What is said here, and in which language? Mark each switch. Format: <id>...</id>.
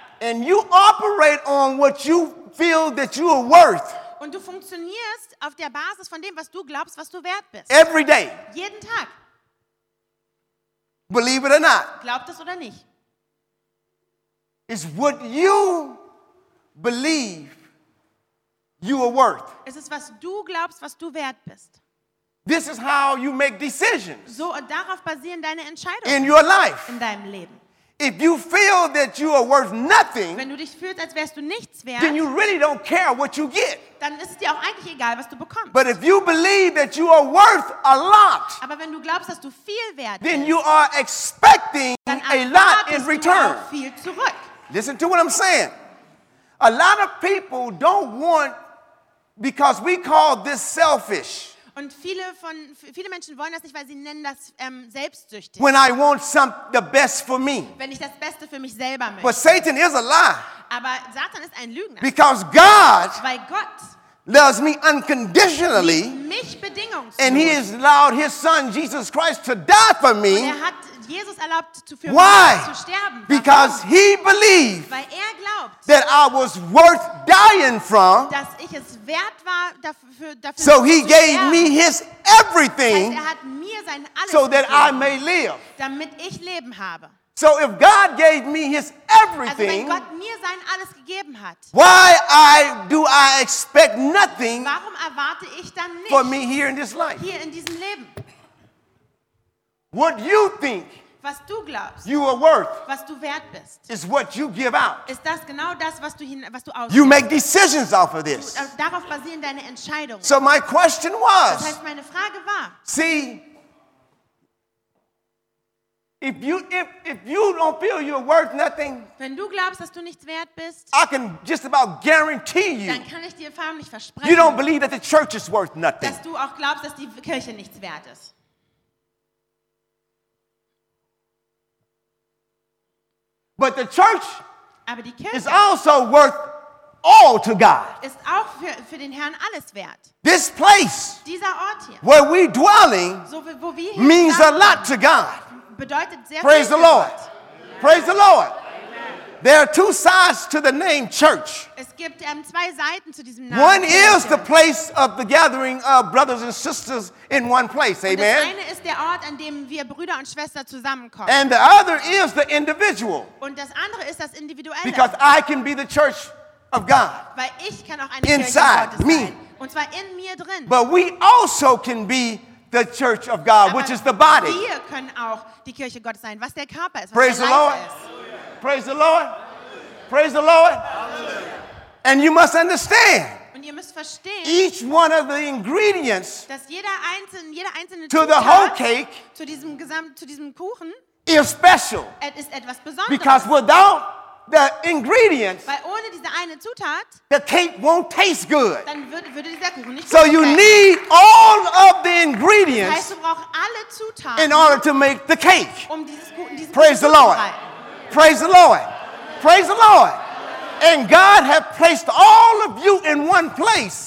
<en>And you operate on what you feel that you are worth.</en> <de>Und du funktionierst auf der Basis von dem, was du glaubst, was du wert bist.</de> <en>Every day.</en> <de>Jeden Tag.</de> <en>Believe it or not.</en> <de>Glaubt es oder nicht.</de> <en>It's what you believe you are worth.</en> <de>Es ist, was du glaubst, was du wert bist.</de> <en>This is how you make decisions.</en> <de>So darauf basieren deine Entscheidungen.</de> <en>In your life.</en> <de>In deinem Leben.</de> <en>If you feel that you are worth nothing,</en> <de>wenn du dich fühlst, als wärst du nichts wert,</de> <en>then you really don't care what you get.</en> <de>Dann ist es dir auch eigentlich egal, was du bekommst.</de> <en>But if you believe that you are worth a lot,</en> <de>aber wenn du glaubst, dass du viel wert</de> <en>then</en> <de>bist,</de> <en>you are expecting a lot in return.</en> <de>Dann erwartest du auch viel zurück.</de> <en>Listen to what I'm saying. A lot of people don't want, because we call this selfish.</en> <de>Und viele Menschen wollen das nicht, weil sie nennen das selbstsüchtig.</de> <en>When I want some, the best for me.</en> <de>Wenn ich das Beste für mich selber möchte.</de> <en>But Satan is a lie.</en> <de>Aber Satan ist ein Lügner.</de> <en>Because God,</en> <de>weil Gott,</de> <en>loves me unconditionally.</en> <de>Mich bedingungslos.</de> <en>And he has allowed his son Jesus Christ to die for me.</en> <de>Und er hat Jesus erlaubt für</de> <en>Why?</en> <de>Mich zu sterben.</de> <en>Because</en> <de>warum?</de> <en>He believed,</en> <de>weil er glaubt,</de> <en>that I was worth dying from.</en> <de>Dass ich es wert war dafür</de> <en>so he gave me his everything.</en> <de>Er hat mir sein alles</de> <en>so that</en> <de>gegeben,</de> <en>I may live.</en> <de>Damit ich leben habe.</de> <en>So if God gave me his everything,</en> <de>also wenn Gott mir sein alles gegeben hat,</de> <en>why I do I expect nothing</en> <de>warum erwarte ich dann nicht</de> <en>for me here in this life?</en> <de>Hier in diesem Leben.</de> <en>What you think</en> <de>was du glaubst,</de> <en>you are worth</en> <de>was du wert bist,</de> <en>is what you give out.</en> <de>Ist das genau das, was du ausgibst.</de> <en>You make decisions off of this.</en> <de>Darauf basieren deine Entscheidungen.</de> <en>So my question was,</en> <de>das heißt, meine Frage war,</de> <en>see, If you don't feel you're worth nothing,</en> <de>wenn du glaubst, dass du nichts wert bist,</de> <en>I can just about guarantee you,</en> <de>dann kann ich dir förmlich versprechen,</de> <en>you don't believe that the church is worth nothing.</en> <de>Dass du auch glaubst, dass die Kirche nichts wert ist.</de> <en>But the church,</en> <de>aber die Kirche</de> <en>is also worth all to God.</en> <de>Ist auch für den Herrn alles wert.</de> <en>This place,</en> <de>dieser Ort hier,</de> <en>where we dwelling,</en> <de>so wo wir hier</de> <en>means a lot to God.</en> <de>Sehr</de> <en>praise the Lord. Amen. Praise the Lord. Amen. There are two sides to the name church.</en> <de>Es gibt, zwei Seiten zu diesem Namen.</de> <en>One is the place of the gathering of brothers and sisters in one place. Amen.</en> <de>Und das eine ist der Ort, an dem wir Brüder und Schwestern zusammenkommen.</de> <en>And the other is the individual.</en> <de>Und das andere ist das Individuelle.</de> <en>Because I can be the church of God.</en> <de>Weil ich kann auch eine</de> <en>inside</en> <de>Kirche Gottes</de> <en>me.</en> <de>Sein. Und zwar in mir drin.</de> <en>But we also can be the church of God,</en> <de>aber</de> <en>which is the body.</en> <de>Wir können auch die Kirche Gottes sein, was der Körper ist, was</de> <en>praise</en> <de>der</de> <en>the Lord.</en> <de>Leib ist.</de> <en>Praise the Lord. Hallelujah. Praise the Lord. Hallelujah. And you must understand.</en> <de>Und ihr müsst verstehen.</de> <en>Each one of the ingredients.</en> <de>Dass jeder einzelne</de> <en>to the whole cake.</en> <de>Zu diesem Kuchen.</de> <en>Is special.</en> <de>Ist etwas Besonderes.</de> <en>Because without the ingredients,</en> <de>weil ohne diese eine Zutat,</de> <en>the cake won't taste good.</en> <de>Dann würde dieser Kuchen nicht so gut</de> <en>you</en> <de>sein.</de> <en>Need all of the ingredients,</en> <de>das heißt, du brauchst alle Zutaten,</de> <en>in order to make the cake.</en> <de>Diesen</de> <en>praise</en> <de>Kuchen</de> <en>the Lord. Praise the Lord. Praise the Lord. And God has placed all of you in one place.</en>